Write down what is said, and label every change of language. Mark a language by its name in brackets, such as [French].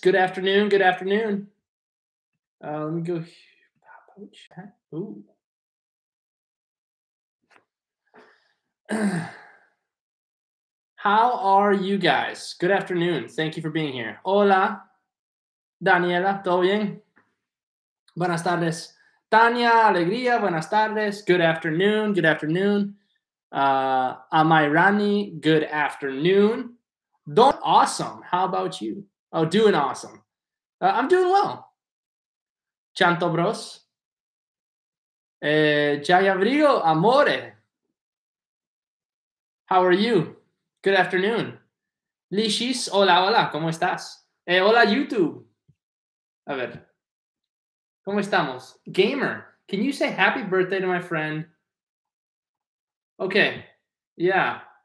[English] Good afternoon, good afternoon. Let me go here. How are you guys? Good afternoon. Thank you for being here. [Spanish] Hola, Daniela. ¿Todo bien? Buenas tardes. Tania, alegría, buenas tardes. [English] Good afternoon, good afternoon. Amairani, good afternoon. Don, awesome. How about you? Oh, doing awesome. I'm doing well. Chanto Bros. Jayabrigo, amore. How are you? Good afternoon. [Spanish] Lishis, hola, hola, ¿cómo estás? Hola, YouTube. A ver. ¿Cómo estamos? [English] Gamer, can you say happy birthday to my friend? Okay, yeah.